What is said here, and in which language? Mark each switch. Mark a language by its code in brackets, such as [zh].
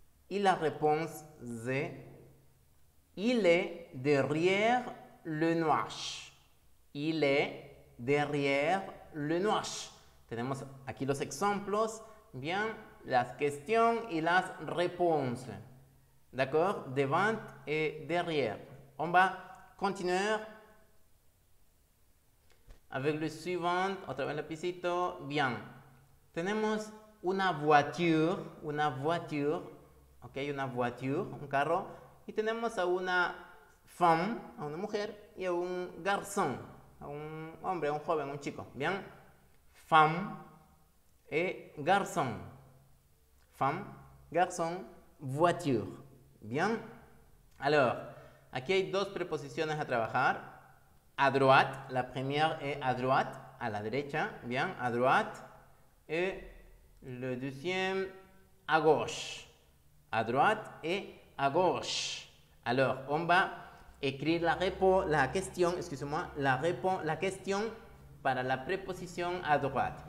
[fr] Y la réponse est, il est derrière le nuage. Il est derrière le nuage. [es] Tenemos aquí los ejemplos, bien, las questions y las réponses. [fr] D'accord? Devant et derrière. On va continuer avec le suivant, à travers le pisito. [es] Bien. Tenemos una voiture, ok, una voiture, un carro, y tenemos a una femme, a una mujer, y a un garçon, a un hombre, a un joven, un chico, bien. [fr] Femme et garçon. Femme, garçon, voiture. Bien. [es] Alors, aquí hay dos preposiciones a trabajar. [fr] À droite, la première est à droite, [es] a la derecha, [fr] bien, à droite. Et le deuxième, à gauche. À droite et à gauche. Alors, on va écrire la question [es] para la preposición [fr] a droite.